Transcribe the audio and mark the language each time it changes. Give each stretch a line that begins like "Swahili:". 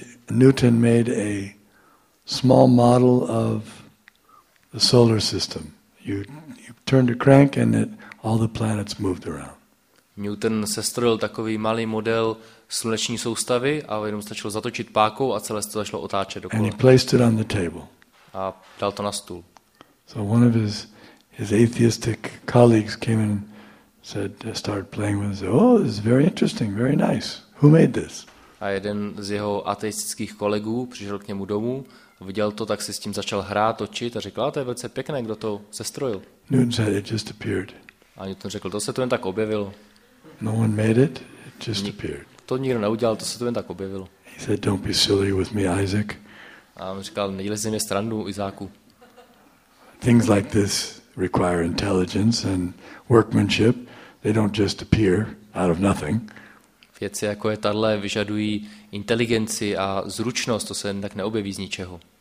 English: Newton made a small model of the solar system. You turned a crank and all the planets moved around.
Czech: Newton sestrojil takový malý model sluneční soustavy a jenom stačilo zatočit pákou a celé se to začalo otáčet dokola.
English: And he placed it on the table.
Czech: A dal to na stůl.
English: So one of his atheistic colleagues came in and said, started playing with it. Said, oh, this is very interesting, very nice. Who made this?
Czech: A jeden z jeho ateistických kolegů přišel k němu domů, viděl to, tak si s tím začal hrát, točit a řekl, a to je velice pěkné, kdo to sestrojil.
English: Newton said it just appeared.
Czech: A Newton řekl, to se to jen tak objevilo.
English: No one made it just appeared.
Czech: To nikdo neudělal, to se to jen tak objevilo.
English: He said, don't be silly with me, Isaac.
Czech: A on říkal, nedělej si mě srandu, Izáku.
English: Things like this require intelligence and workmanship. They don't just appear out of nothing.
Czech: Věci jako je tahle vyžadují inteligenci a zručnost, to se jen tak neobjeví z ničeho.